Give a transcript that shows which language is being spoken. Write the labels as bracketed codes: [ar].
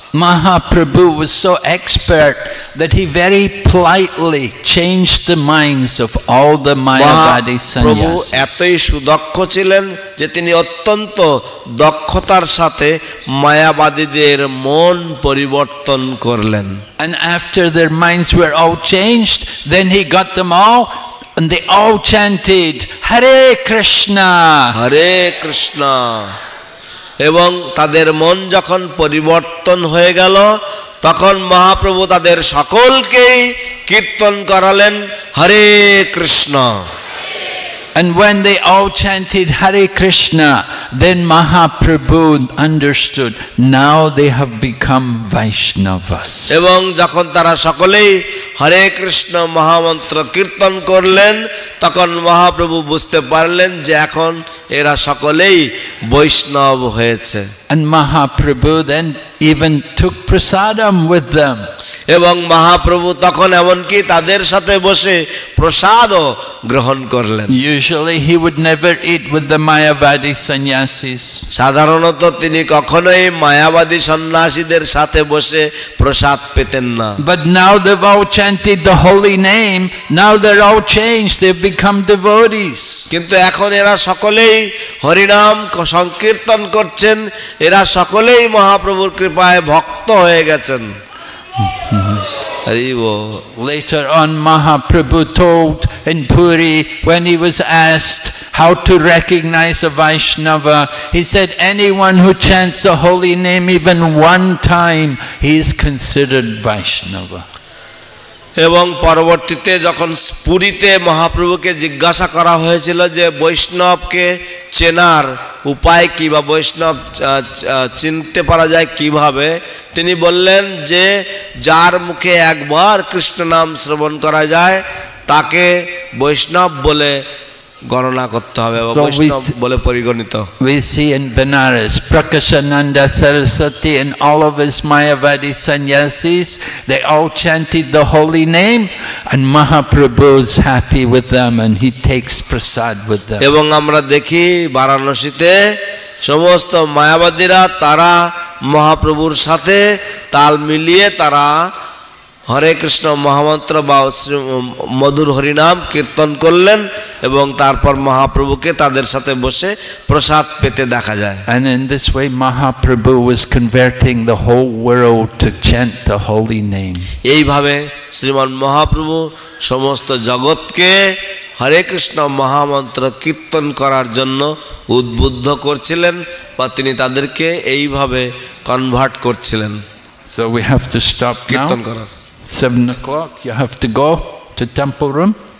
[en] Mahaprabhu was so expert that he very politely changed the minds of all the Mayavadi sannyasis. [bn] প্রভু এতই সুদক্ষ ছিলেন যে তিনি অত্যন্ত দক্ষতার সাথে মায়াবাদীদের মন পরিবর্তন করলেন. [en] And after their minds were all changed, then he got them all and they all chanted Hare Krishna. Hare Krishna. [bn] এবং তাদের মন যখন পরিবর্তন হয়ে গেল তখন মহাপ্রভু তাদের সকলকেই কীর্তন করালেন হরে Krishna. [en] And when they all chanted Hare Krishna, then Mahaprabhu understood, now they have become Vaishnavas. [bn] এবং যখন তারা সকলেই হরে কৃষ্ণ মহামন্ত্র কীর্তন করলেন তখন মহাপ্রভু বুঝতে পারলেন যে এখন এরা সকলেই বৈষ্ণব হয়েছে. [en] And Mahaprabhu then even took prasadam with them. [bn] এবং মহাপ্রভু তখন এমনকি তাদের সাথে বসে প্রসাদও গ্রহণ করলেন। [en] Usually he would never eat with the Mayavadi sannyasis. [bn] সাধারণত তিনি কখনোই মায়াবাদী সন্ন্যাসীদের সাথে বসে প্রসাদ পেতেন না। [en] But now they've all chanted the holy name, now they're all changed, they've become devotees. [bn] কিন্তু এখন এরা সকলেই হরিনাম সংকীর্তন করছেন, এরা সকলেই মহাপ্রভুর কৃপায় ভক্ত হয়ে গেছেন। [en] Later on, Mahaprabhu told in Puri, when he was asked how to recognize a Vaishnava, he said, anyone who chants the holy name even one time, he is considered Vaishnava. [bn] এবং পরবর্তীতে যখন পুরীতে মহাপ্রভুকে জিজ্ঞাসা করা হয়েছিল যে বৈষ্ণবকে চেনার উপায় কী বা বৈষ্ণব চিনতে পারা যায় কীভাবে, তিনি বললেন যে যার মুখে একবার কৃষ্ণ নাম শ্রবণ করা যায় তাকে বৈষ্ণব বলে গণনা করতে হবে বা বৈষ্ণব বলে পরিগণিত। [en] We see in Benares, Prakashananda Saraswati and all of his Mayavadi sannyasis, they all chanted the holy name and Mahaprabhu is happy with them and he takes prasad with them. [bn] এবং আমরা দেখি বারাণসীতে সমস্ত মায়াবাদীরা তারা মহাপ্রভুর সাথে তাল মিলিয়ে তারা হরে কৃষ্ণ মহামন্ত্র বা মধুর হরিনাম কীর্তন করলেন এবং তারপর মহাপ্রভুকে তাদের সাথে বসে প্রসাদ পেতে দেখা যায়। [en] And in this way Mahaprabhu was converting the whole world to chant the holy name. [bn] এইভাবে শ্রীমান মহাপ্রভু সমস্ত জগৎকে হরে কৃষ্ণ মহামন্ত্র কীর্তন করার জন্য উদ্বুদ্ধ করছিলেন বা তিনি তাদেরকে এইভাবে কনভার্ট করছিলেন। [en] So we have to stop now. [bn] কীর্তন করার [en] 7 o'clock, you have to go to temple room.